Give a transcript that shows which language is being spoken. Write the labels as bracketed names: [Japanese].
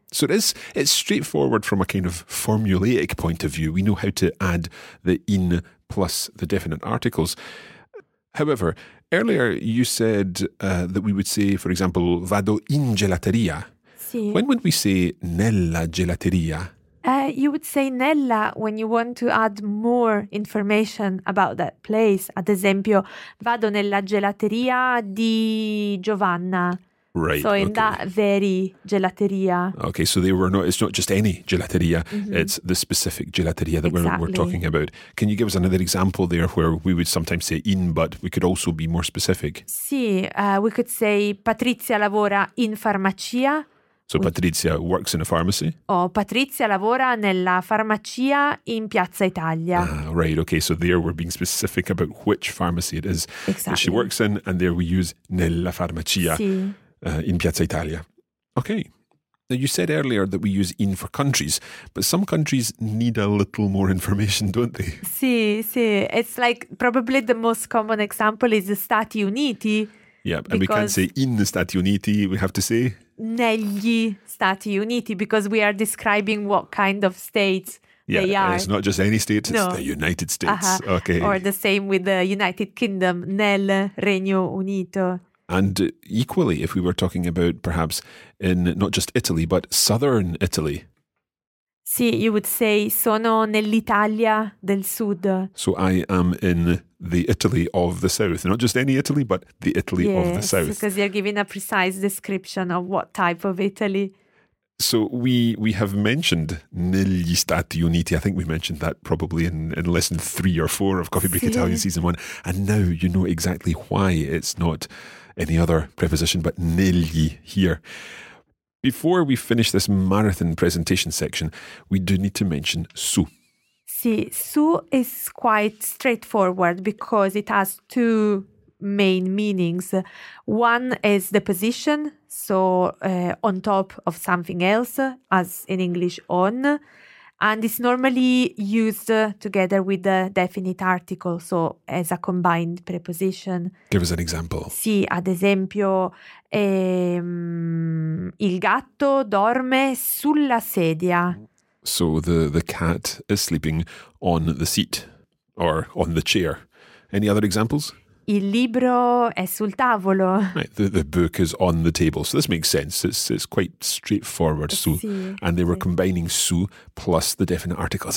[English] So it's straightforward from a kind of formulaic point of view. We know how to add the in plus the definite articles. However, earlier you said that we would say, for example, [Italian] vado in gelateria. Sì. [English] When would we say nella gelateria? You would say nella when you want to add more information about that place. [Italian] Ad esempio, vado nella gelateria di Giovanna. [English] Right. So in okay. that very gelateria. Okay, so they were not. It's not just any gelateria. Mm-hmm. It's the specific gelateria that exactly. we're talking about. Can you give us another example there where we would sometimes say in, but we could also be more specific? [Italian] Sì, [English] we could say [Italian] Patrizia lavora in farmacia. [English] So Patrizia works in a pharmacy? [Italian] Oh, Patrizia lavora nella farmacia in Piazza Italia. [English] Ah, right, okay, so there we're being specific about which pharmacy it is exactly. that she works in, and there we use nella farmacia. [Italian] Sì. [English] In Piazza Italia. Okay. Now, you said earlier that we use in for countries, but some countries need a little more information, don't they? [Italian] Sì, sì. [English] It's like probably the most common example is the Stati Uniti. Yeah, and we can't say in the Stati Uniti, we have to say? [Italian] Negli Stati Uniti, [English] because we are describing what kind of states yeah, they are. It's not just any state, it's no. the United States. Uh-huh. Okay. Or the same with the United Kingdom, [Italian] nel Regno Unito. [English] And equally, if we were talking about perhaps in not just Italy, but southern Italy. [Italian] Sì, [English] you would say [Italian] sono nell'Italia del sud. [English] So I am in the Italy of the south. Not just any Italy, but the Italy yes, of the south. Because you're giving a precise description of what type of Italy. So we have mentioned negli Stati Uniti. I think we mentioned that probably in lesson 3 or 4 of Coffee Break [Italian] sì. [English] Italian season 1. And now you know exactly why it's not any other preposition but negli here. Before we finish this marathon presentation section, we do need to mention su. Sì, su is quite straightforward because it has two main meanings. One is the position, so on top of something else, as in English, on. And it's normally used together with the definite article, so as a combined preposition. Give us an example. [Italian] Sì, ad esempio, il gatto dorme sulla sedia. [English] So the cat is sleeping on the seat or on the chair. Any other examples? [Italian] Il libro è sul tavolo. [English] Right, the book is on the table. So this makes sense. It's quite straightforward, su. [Italian] Sì, [English] and they were [Italian] sì. [English] combining su plus the definite articles.